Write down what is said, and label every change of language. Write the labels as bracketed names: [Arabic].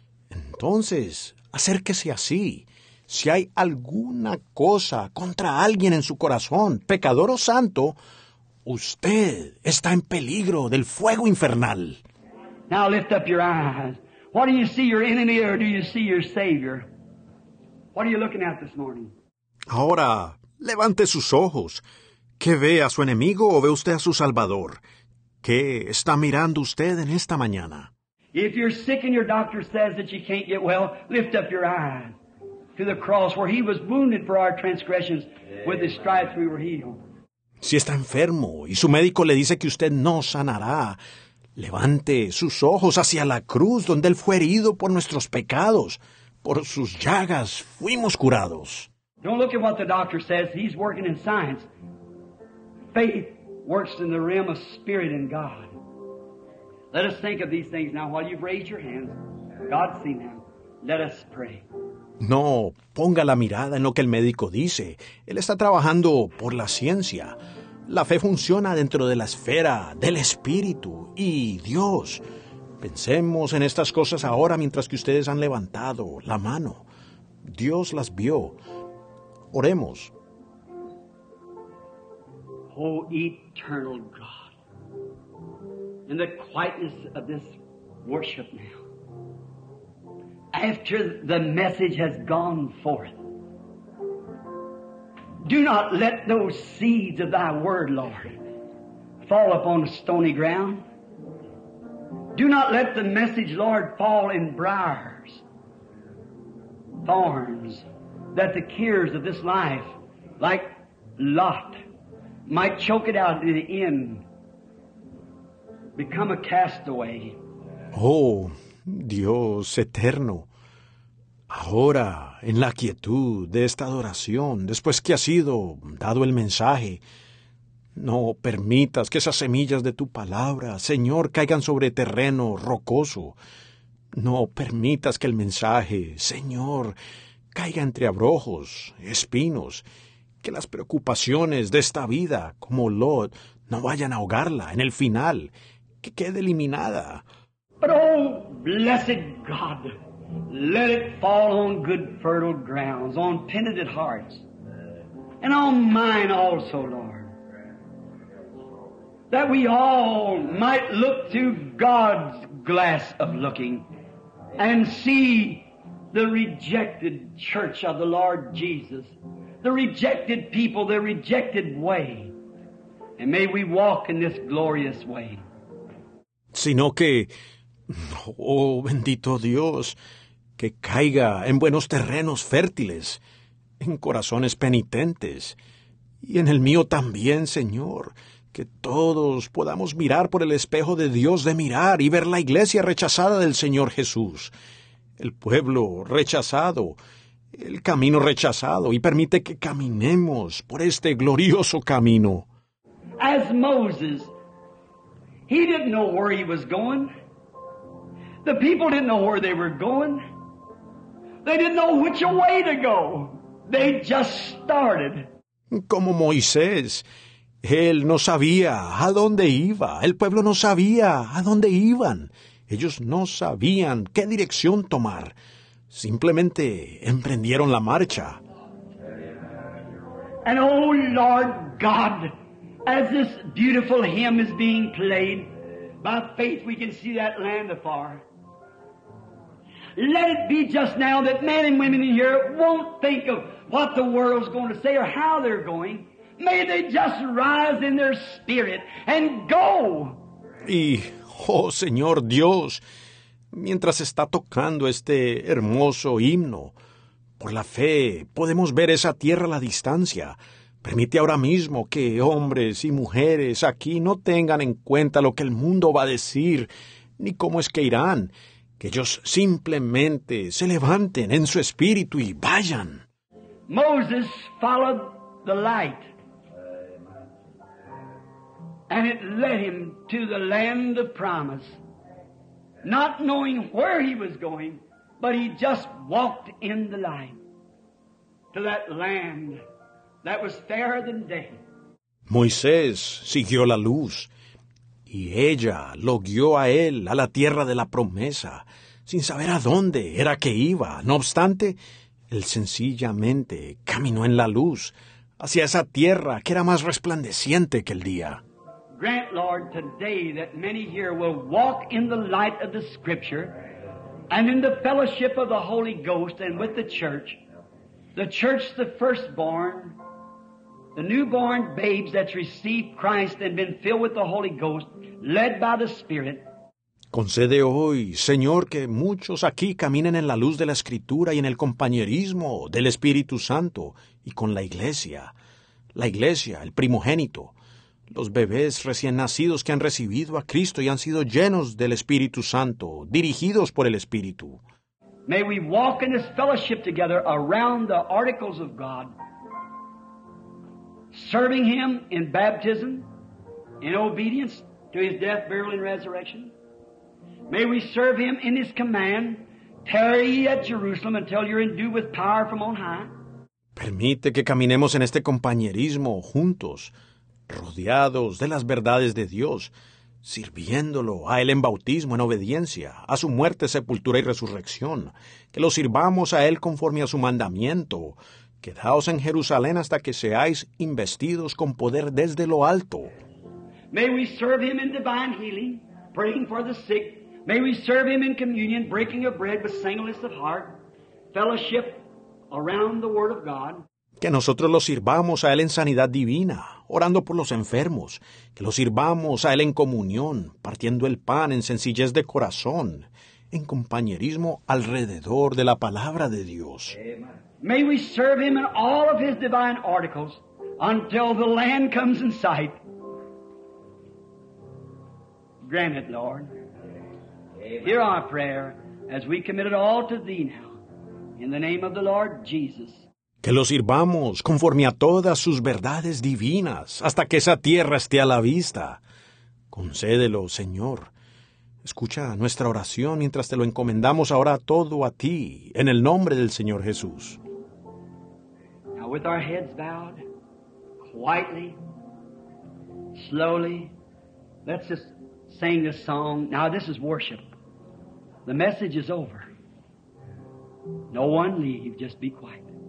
[Spanish] Entonces, acérquese así. Si hay alguna cosa contra alguien en su corazón, pecador o santo, usted está en peligro del fuego infernal. [English] Now lift up your eyes. What do you see, your enemy, or do you see your Savior? What are you looking at this morning? [Spanish] Ahora, levante sus ojos. ¿Qué ve, a su enemigo o ve usted a su Salvador? ¿Qué está mirando usted en esta mañana? [English] If you're sick and your doctor says that you can't get well, lift up your eyes to the cross where he was wounded for our transgressions. With his stripes we were healed. [Spanish] Si está enfermo y su médico le dice que usted no sanará, levante sus ojos hacia la cruz donde él fue herido por nuestros pecados. Por sus llagas fuimos curados. [English] Don't look at what the doctor says. He's working in science. Faith works in the realm of spirit and God. Let us think of these things now. While you've raised your hands, God's seen them. Let us pray. [Spanish] No, ponga la mirada en lo que el médico dice. Él está trabajando por la ciencia. La fe funciona dentro de la esfera del espíritu y Dios. Pensemos en estas cosas ahora mientras que ustedes han levantado la mano. Dios las vio. Oremos. [English] Oh, eternal God, in the quietness of this worship now, after the message has gone forth, do not let those seeds of thy word, Lord, fall upon a stony ground. Do not let the message, Lord, fall in briars, thorns, that the cares of this life, like Lot, might choke it out in the end, become a castaway. [Spanish] Oh, Dios eterno, ahora, en la quietud de esta adoración, después que ha sido dado el mensaje, no permitas que esas semillas de tu palabra, Señor, caigan sobre terreno rocoso. No permitas que el mensaje, Señor, caiga entre abrojos, espinos, que las preocupaciones de esta vida, como Lot, no vayan a ahogarla en el final, que quede eliminada. [English] But oh, blessed God, let it fall on good fertile grounds, on penitent hearts, and on mine also, Lord, that we all might look through God's glass of looking and see the rejected church of the Lord Jesus, the rejected people, the rejected way. And may we walk in this glorious way. [Spanish] Sino que, oh bendito Dios, que caiga en buenos terrenos fértiles, en corazones penitentes, y en el mío también, Señor, que todos podamos mirar por el espejo de Dios de mirar y ver la iglesia rechazada del Señor Jesús. El pueblo rechazado, el camino rechazado, y permite que caminemos por este glorioso camino. [English] As Moses, he didn't know where he was going. The people didn't know where they were going. They didn't know which way to go. They just started. [Spanish] Como Moisés, él no sabía a dónde iba. El pueblo no sabía a dónde iban. Ellos no sabían qué dirección tomar. Simplemente emprendieron la marcha. [English] And oh Lord God, as this beautiful hymn is being played, by faith we can see that land afar. Let it be just now that men and women in here won't think of what the world's going to say or how they're going. May they just rise in their spirit and go. [Spanish] Y, oh Señor Dios, mientras está tocando este hermoso himno, por la fe podemos ver esa tierra a la distancia. Permite ahora mismo que hombres y mujeres aquí no tengan en cuenta lo que el mundo va a decir, ni cómo es que irán. Que ellos simplemente se levanten en su espíritu y vayan. [English] Moses followed the light, and it led him to the land of promise, not knowing where he was going, but he just walked in the light to that land that was fairer than day. [Spanish] Moisés siguió la luz, y ella lo guió a él a la tierra de la promesa, sin saber a dónde era que iba. No obstante, él sencillamente caminó en la luz hacia esa tierra que era más resplandeciente que el día. [English] Grant, Lord, today that many here will walk in the light of the Scripture and in the fellowship of the Holy Ghost and with the church the firstborn, the newborn babes that received Christ and been filled with the Holy Ghost, led by the Spirit. [Spanish] Concede hoy, Señor, que muchos aquí caminen en la luz de la Escritura y en el compañerismo del Espíritu Santo y con la Iglesia. La Iglesia, el primogénito, los bebés recién nacidos que han recibido a Cristo y han sido llenos del Espíritu Santo, dirigidos por el Espíritu. [English] May we walk in this fellowship together around the articles of God, serving Him in baptism, in obedience to His death, burial, and resurrection. May we serve Him in His command, tarry ye at Jerusalem until you're endued with power from on high. [Spanish] Permite que caminemos en este compañerismo juntos, rodeados de las verdades de Dios, sirviéndolo a Él en bautismo, en obediencia, a su muerte, sepultura y resurrección, que lo sirvamos a Él conforme a su mandamiento. Quedaos en Jerusalén hasta que seáis investidos con poder desde lo alto. [English] May we serve Him in divine healing, praying for the sick. May we serve Him in communion, breaking of bread with singleness of heart, fellowship around the Word of God. [Spanish] Que nosotros lo sirvamos a Él en sanidad divina, orando por los enfermos. Que lo sirvamos a Él en comunión, partiendo el pan en sencillez de corazón, en compañerismo alrededor de la Palabra de Dios. [English] Amen. May we serve Him in all of His divine articles until the land comes in sight. Grant it, Lord. Amen. Hear our prayer as we commit it all to Thee now, in the name of the Lord Jesus. [Spanish] Que lo sirvamos conforme a todas sus verdades divinas, hasta que esa tierra esté a la vista. Concédelo, Señor. Escucha nuestra oración mientras te lo encomendamos ahora todo a ti, en el nombre del Señor Jesús. [English] Now with our heads bowed, quietly, slowly, let's just sing this song. Now this is worship. The message is over. No one leave, just be quiet.